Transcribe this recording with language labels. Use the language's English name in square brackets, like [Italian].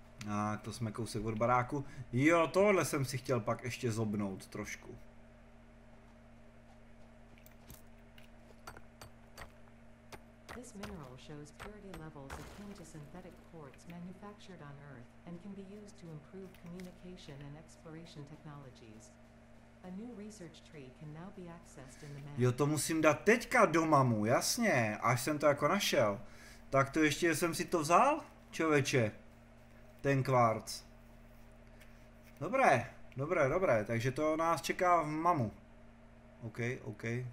[Czech] A to jsme kousek od baráku. Jo, tohle jsem si chtěl pak ještě zobnout trošku. [English] This mineral shows purity levels akin to synthetic quartz manufactured on Earth and can be used to improve communication and exploration technologies. A new research tree can now be accessed in the map. [Czech] Jo, to musím dát teďka do mamu, jasně, až jsem to jako našel. Tak to ještě jsem si to vzal, čověče, ten kvarc. Dobré, dobré, dobré, takže to nás čeká v mamu. OK, OK.